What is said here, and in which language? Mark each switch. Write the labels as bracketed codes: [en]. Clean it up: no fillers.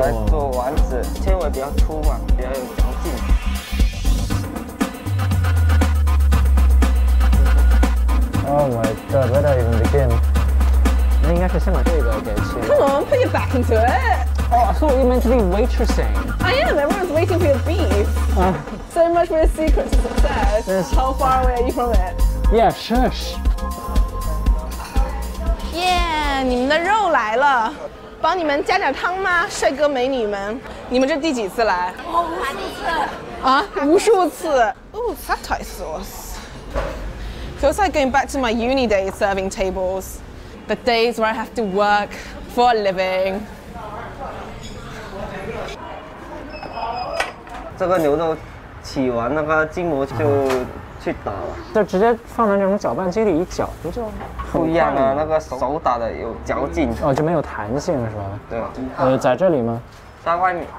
[zh] 来做丸子，纤维比较粗嘛，比较有嚼劲。 [en] Oh my god, where do I even begin? [zh] 那应该是先把这个给切。 [en] Come on, put your back into it. Oh, I thought you meant to be waitressing. I am, everyone's waiting for your beef. So much for your secret to success. Yes. How far away are you from it? Yeah, shush. [zh] Yeah, 你们的肉来了。帮你们加点汤吗？帅哥美女们。你们这第几次来？无数次。 [en] Ooh, satay sauce. Feels like going back to my uni days serving tables. The days where I have to work for a living. [zh] 这个牛肉起完那个筋膜就去打了，就直接放在那种搅拌机里一搅不就不一样了、啊、那个手打的有嚼劲哦，就没有弹性是吧？对，在这里吗？在外面。